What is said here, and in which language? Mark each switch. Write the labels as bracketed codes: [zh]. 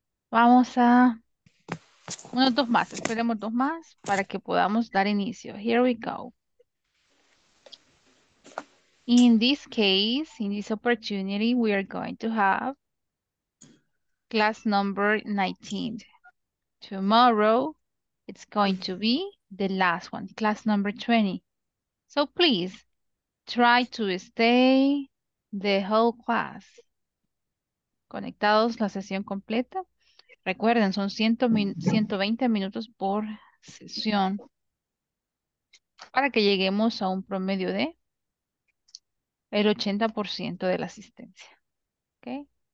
[es] Vamos a unos dos más, esperemos dos más para que podamos dar inicio. [en] Here we go. In this case, in this opportunity, we are going to have class number 19. Tomorrow, it's going to be the last one, class number 20. So please, try to stay the whole class. [es] Conectados la sesión completa. Recuerden, son 120 minutos por sesión para que lleguemos a un promedio de el 80% de la asistencia. ¿Okay?